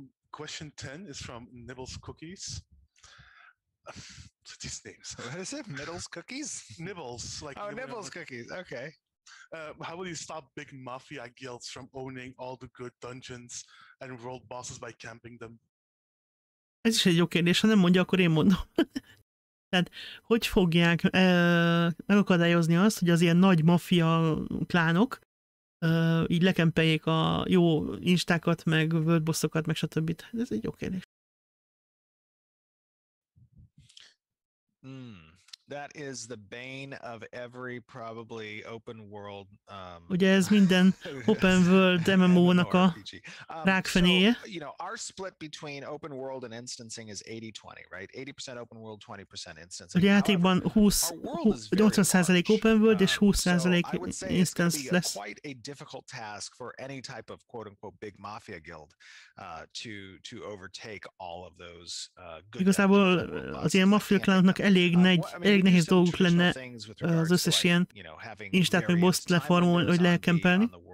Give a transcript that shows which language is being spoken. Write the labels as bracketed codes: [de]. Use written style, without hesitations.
[en] Question 10 is from Nibbles Cookies. These names. What is it? Nibbles Cookies? Nibbles. Like oh, Nibbles Cookies. Okay. How will you stop big mafia guilds from owning all the good dungeons and world bosses by camping them? [hu] Ez is egy jó kérdés, ha nem mondja, akkor én mondom. Tehát, hogy fogják megakadályozni azt, hogy az ilyen nagy mafia klánok így lekempeljék a jó instákat, meg world bossokat, meg stb. Ez egy jó kérdés. [en] That is the bane of every probably open world. [hu] Ugye ez minden open world MMO-nak a rákfenéje. [en] So, you know, our split between open world and instancing is 80-20, right? 80% open world, 20% instancing. [hu] Ugye játékban 80% open world és 20% instance lesz. [en] It's quite a difficult task for any type of quote unquote big mafia guild to overtake all of those good. [hu] Igazából az ilyen mafia klánoknak elég nehéz dolguk lenne az összes ilyen instát meg boss-t leformulni, hogy lekempelni.